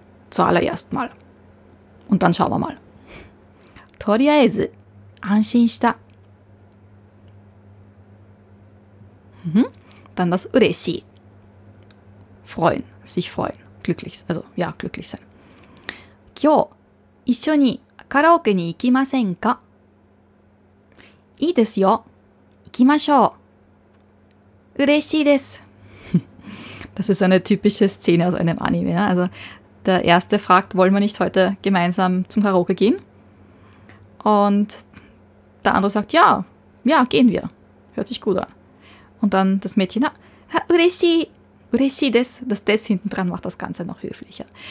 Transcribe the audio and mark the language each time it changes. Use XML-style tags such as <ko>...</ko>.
<de>Zuallererst mal. Und dann schauen wir mal.</de> <ja>Toriaezu. Anshin shita.</ja> <de>Dann das ureshi. Freuen, sich freuen. Glücklich, also ja, glücklich sein.</de> <ja>今日、一緒にカラオケに行きませんか? いいですよ。行きましょう。嬉しいです。</ja> <de>Das ist eine typische Szene aus einem Anime. Ja? Also der Erste fragt, wollen wir nicht heute gemeinsam zum Karaoke gehen? Und der Andere sagt, ja, ja, gehen wir. Hört sich gut an. Und dann das Mädchen, na,</de> <ja>ureshi, ureshi des,</ja> <de>das des hinten dran macht das Ganze noch höflicher.</de>